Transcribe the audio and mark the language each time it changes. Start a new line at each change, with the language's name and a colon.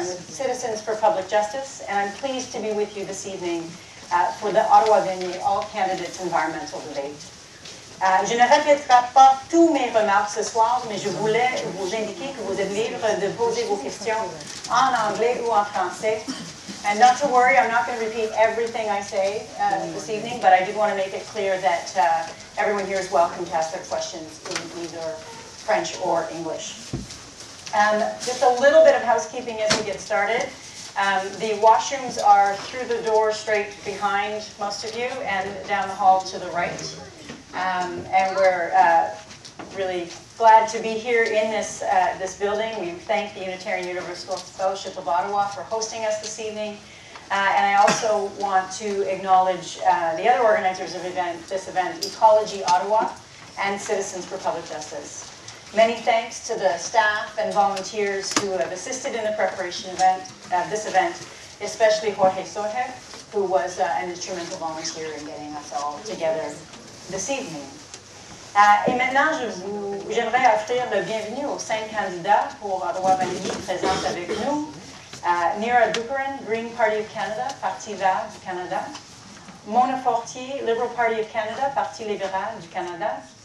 English: I'm with Citizens for Public Justice, and I'm pleased to be with you this evening for the Ottawa Vanier All Candidates Environmental Debate.
French: Je ne répéterai pas tous mes remarques ce soir, mais je voulais vous indiquer que vous êtes libre de poser vos questions en anglais ou en français.
English: And not to worry, I'm not going to repeat everything I say this evening, but I did want to make it clear that everyone here is welcome to ask their questions in either French or English. Just a little bit of housekeeping as we get started. The washrooms are through the door straight behind most of you and down the hall to the right. And we're really glad to be here in this this building. We thank the Unitarian Universal Fellowship of Ottawa for hosting us this evening. And I also want to acknowledge the other organizers of this event, Ecology Ottawa and Citizens for Public Justice. Many thanks to the staff and volunteers who have assisted in the preparation of this event, especially Jorge Soher, who was an instrumental volunteer in getting us all together this evening.
French: Et maintenant, j'aimerais offrir le bienvenue aux cinq candidats pour Ottawa Vanier présents avec nous.
English: Neera Duperin, Green Party of Canada, Parti Vert du Canada. Mona Fortier, Liberal Party of Canada, Parti Libéral du Canada.